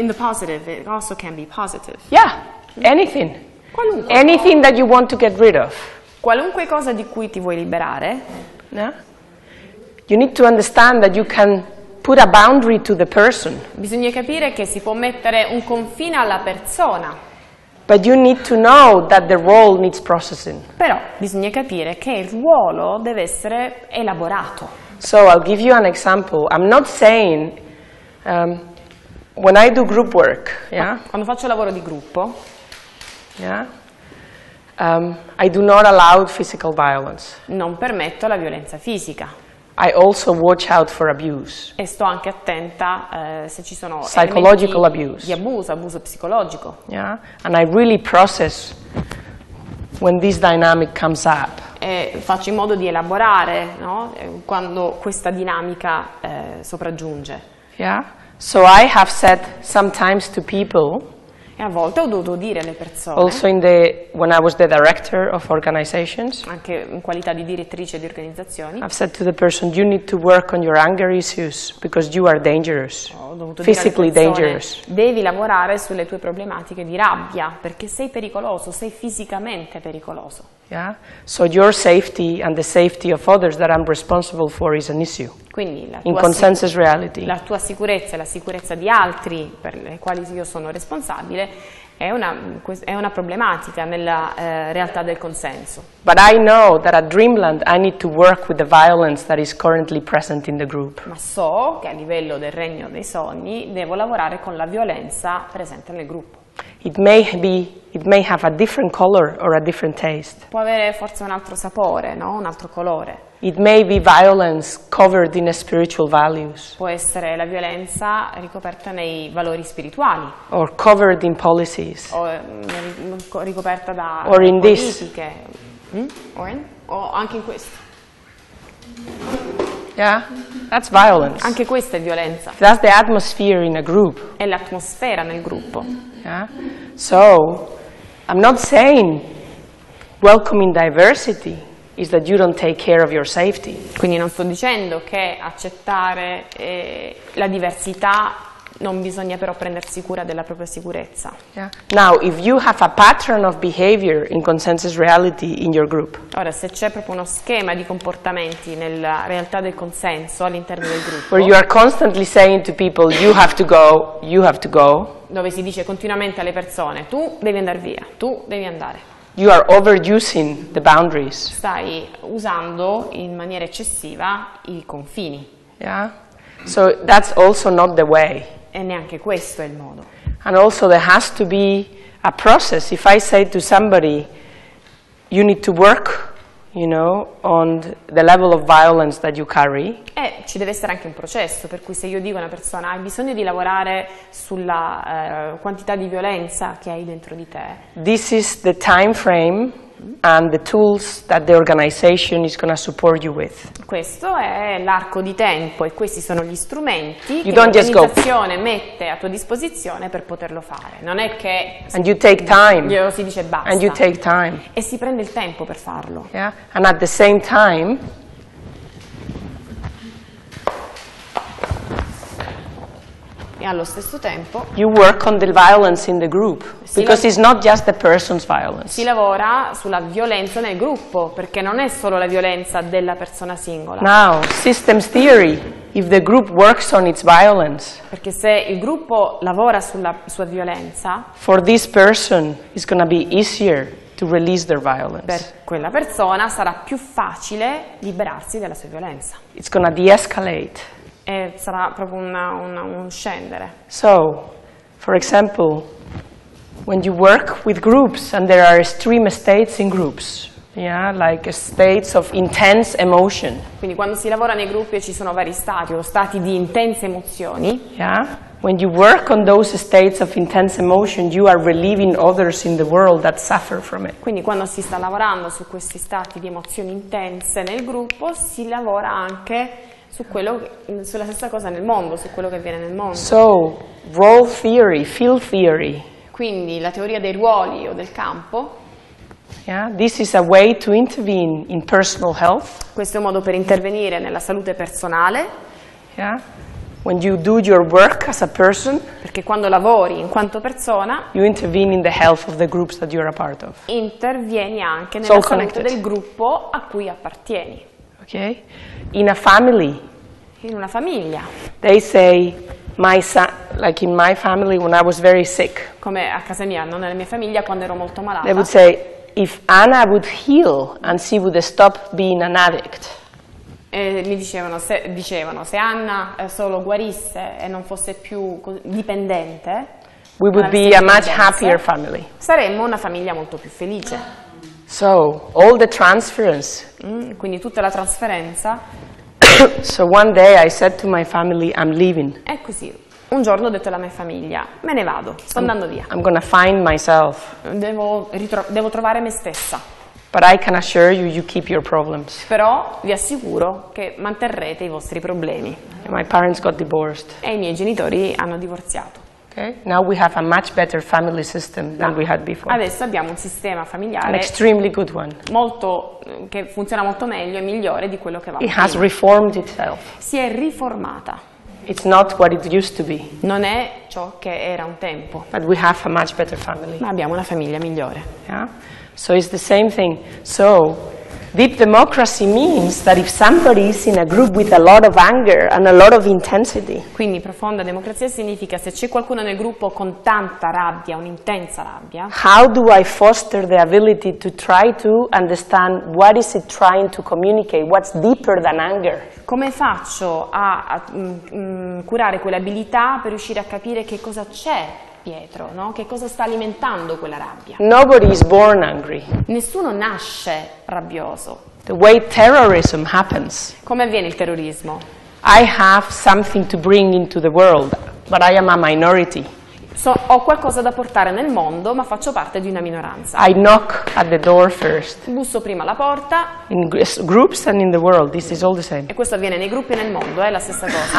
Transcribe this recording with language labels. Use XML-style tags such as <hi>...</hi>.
<en>In the positive, it also can be positive. Yeah, anything.</en> <it>Qualunque</it> <en>anything</en> <it>cosa.</it> <en>That you want to get rid of.</en> <it>Qualunque cosa di cui ti vuoi liberare.</it> <en>No? You need to understand that you can put a boundary to the person.</en> <it>Bisogna capire che si può mettere un confine alla persona.</it> <en>But you need to know that the role needs processing.</en> <it>Però bisogna capire che il ruolo deve essere elaborato.</it> <en>So I'll give you an example. I'm not saying when I do group work, yeah.</en> <it>Quando faccio lavoro di gruppo,</it> <en>yeah. I do not allow physical violence.</en> <it>Non permetto la violenza fisica.</it> <en>I also watch out for abuse.</en> <it>E sto anche attenta se ci sono</it> <en>psychological abuse.</en> <it>Di abuso, abuso psicologico.</it> <en>Yeah. And I really process when this dynamic comes up.</en> <it>E faccio in modo di elaborare, no? Quando questa dinamica sopraggiunge.</it> <en>Yeah. So I have said sometimes to people.</en> <it>E a volte ho dovuto dire alle persone.</it> <en>Also in the when I was the director of organizations.</en> <it>Anche in qualità di direttrice di organizzazioni.</it> <en>I've said to the person, you need to work on your anger issues because you are dangerous.</en> <it>Ho dovuto dire</it> <en>physically</en> <it>alle persone,</it> <en>dangerous.</en> <it>Devi lavorare sulle tue problematiche di rabbia perché sei pericoloso, sei fisicamente pericoloso.</it> <en>Yeah. So your safety and the safety of others that I'm responsible for is an issue.</en> <it>Quindi la tua</it> <en>in consensus reality.</en> <it>La tua sicurezza e la sicurezza di altri per le quali io sono responsabile È una problematica nella realtà del consenso.</it> <en>But I know that at Dreamland I need to work with the violence that is currently present in the group.</en> <it>Ma so che a livello del regno dei sogni devo lavorare con la violenza presente nel gruppo.</it> <en>It may have a different color or a different taste.</en> <it>Può avere forse un altro sapore, no? Un altro colore.</it> <en>It may be violence covered in spiritual values.</en> <it>Può essere la violenza ricoperta nei valori spirituali.</it> <en>Or covered in policies.</en> <it>O ricoperta da</it> <en>or in</en> <it>politiche.</it> <en>This.</en> <it>O anche in questo.</it> <en>Yeah, that's violence.</en> <it>Anche questa è violenza.</it> <en>That's the atmosphere in a group.</en> <it>È l'atmosfera nel gruppo.</it> <en>Yeah. So, I'm not saying welcoming diversity is that you don't take care of your safety.</en> <it>Quindi non sto dicendo che accettare la diversità non bisogna però prendersi cura della propria sicurezza.</it> <en>Yeah. Now, if you have a pattern of behavior in consensus reality in your group.</en> <it>Ora, se c'è proprio uno schema di comportamenti nella realtà del consenso all'interno del gruppo.</it> <en>Where you are constantly saying to people, you have to go, you have to go.</en> <it>Dove si dice continuamente alle persone, tu devi andare via, tu devi andare.</it> <en>You are overusing the boundaries.</en> <it>Stai usando in maniera eccessiva i confini.</it> <en>Yeah. So that's also not the way.</en> <it>E neanche questo è il modo.</it> <en>And also there has to be a process. If I say to somebody, you need to work, you know, on the level of violence that you carry.</en> <it>Ci deve essere anche un processo, per cui se io dico a una persona, hai bisogno di lavorare sulla quantità di violenza che hai dentro di te.</it> <en>This is the time frame and the tools that the organization is going to support you with.</en> <it>Questo è l'arco di tempo e questi sono gli strumenti che l'organizzazione mette a tua disposizione per poterlo fare. Non è che</it> <en>and you take time.</en> <it>Glielo si dice basta.</it> <en>And you take time.</en> <it>E si prende il tempo per farlo.</it> <en>Yeah. And at the same time</en> <it>e allo stesso tempo</it> <en>you work on the violence in the group because it's not just the person's violence.</en> <it>Si lavora sulla violenza nel gruppo perché non è solo la violenza della persona singola.</it> <en>Now, systems theory, if the group works on its violence.</en> <it>Perché se il gruppo lavora sulla sua violenza,</it> <en>for this person it's going to be easier to release their violence.</en> <it>Per quella persona sarà più facile liberarsi della sua violenza.</it> <en>It's going to de-escalate.</en> <it>E sarà proprio un scendere.</it> <en>So, for example, when you work with groups and there are extreme states in groups, yeah, like states of intense emotion.</en> <it>Quindi quando si lavora nei gruppi ci sono vari stati o stati di intense emozioni.</it> <en>Yeah. When you work on those states of intense emotion, you are relieving others in the world that suffer from it.</en> <it>Quindi quando si sta lavorando su questi stati di emozioni intense nel gruppo, si lavora anche sulla stessa cosa nel mondo, su quello che avviene nel mondo.</it> <en>So, role theory, field theory.</en> <it>Quindi la teoria dei ruoli o del campo.</it> <en>Yeah, this is a way to intervene in personal health.</en> <it>Questo è un modo per intervenire nella salute personale.</it> <en>Yeah. When you do your work as a person,</en> <it>perché quando lavori in quanto persona,</it> <en>you intervene in the health of the groups that you are a part of.</en> <it>Intervieni anche nella salute del gruppo a cui appartieni.</it> <en>Okay. In a family.</en> <it>In una famiglia.</it> <en>They say my son, like in my family when I was very sick.</en> <it>Come a casa mia, non nella mia famiglia quando ero molto malata.</it> <en>They would say if Anna would heal and she would stop being an addict.</en> <it>E mi dicevano se Anna solo guarisse e non fosse più dipendente,</it> <en>we would be a much happier family.</en> <it>Saremmo una famiglia molto più felice.</it> <en>So, all the transference.</en> <it>Quindi tutta la trasferenza.</it> <en>So one day I said to my family, I'm leaving.</en> <it>È così. Un giorno ho detto alla mia famiglia, me ne vado, sto andando via.</it> <en>I'm gonna find myself.</en> <it>Devo trovare me stessa.</it> <en>But I can assure you, you keep your problems.</en> <it>Però vi assicuro che manterrete i vostri problemi.</it> <en>My parents got divorced.</en> <it>E i miei genitori hanno divorziato.</it> <en>Okay. Now we have a much better family system than we had before.</en> <it>Adesso abbiamo un sistema familiare.</it> <en>An extremely good one.</en> <it>Molto che funziona molto meglio e migliore di quello che avevamo.</it> <en>It has reformed itself.</en> <it>Si è riformata.</it> <en>It's not what it used to be.</en> <it>Non è ciò che era un tempo.</it> <en>But we have a much better family.</en> <it>Ma abbiamo una famiglia migliore.</it> <en>Yeah. So it's the same thing. So Deep democracy means that if somebody is in a group with a lot of anger and a lot of intensity.</en> <it>Quindi profonda democrazia significa se c'è qualcuno nel gruppo con tanta rabbia, un'intensa rabbia.</it> <en>How do I foster the ability to try to understand what is it trying to communicate? What's deeper than anger?</en> <it>Come faccio a curare quell'abilità per riuscire a capire che cosa c'è dietro, no? Che cosa sta alimentando quella rabbia?</it> <en>Nobody is born angry.</en> <it>Nessuno nasce rabbioso.</it> <en>The way terrorism happens.</en> <it>Come avviene il terrorismo?</it> <en>I have something to bring into the world, but I am a minority.</en> <it>Ho qualcosa da portare nel mondo, ma faccio parte di una minoranza.</it> <en>I knock at the door first.</en> <it>Busso prima alla porta.</it> <en>In groups and in the world, this is all the same.</en> <it>E questo avviene nei gruppi e nel mondo, è la stessa cosa.</it>